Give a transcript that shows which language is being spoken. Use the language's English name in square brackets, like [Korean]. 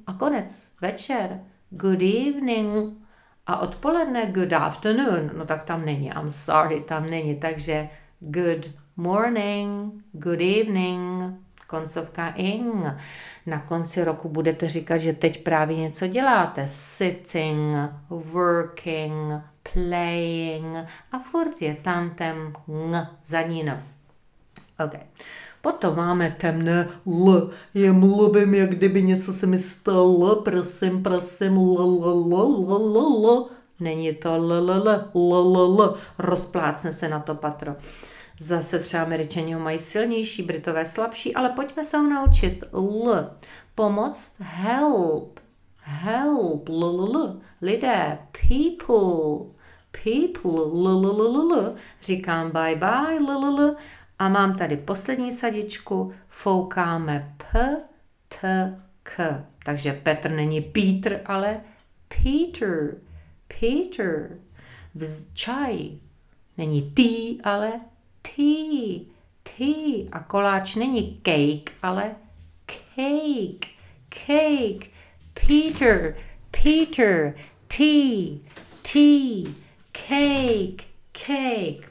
[Czech] A konec, večer, [English] good evening. [Czech] A odpoledne, [English] good afternoon. [Czech] No tak tam není, [English] I'm sorry, [Czech] tam není. Takže [English] good morning, good evening. [Czech] Koncovka ing. Na konci roku budete říkat, že teď právě něco děláte. [English] Sitting, working, playing. [Czech] A furt je tam ten ng za ní. OK. Potom máme temné l. Já mluvím, jak kdyby něco se mi stalo. Prosím, prosím, l. Není to l. Rozplácne se na to patro. Zase třeba Američani mají silnější, Britové slabší, ale pojďme se ho naučit. L. Pomoc. [English] Help. Help. [Czech] L. Lidé. [English] People. People. L. [Czech] Říkám [English] bye bye. [Czech] L. A mám tady poslední sadičku. Foukáme p, t, k. Takže Petr není Peter, ale Peter. Peter. Čaj. Není tý, ale [English] tea, tea. [Czech] A koláč není cake, ale [English] cake, cake. Peter, Peter, tea, tea, cake, cake.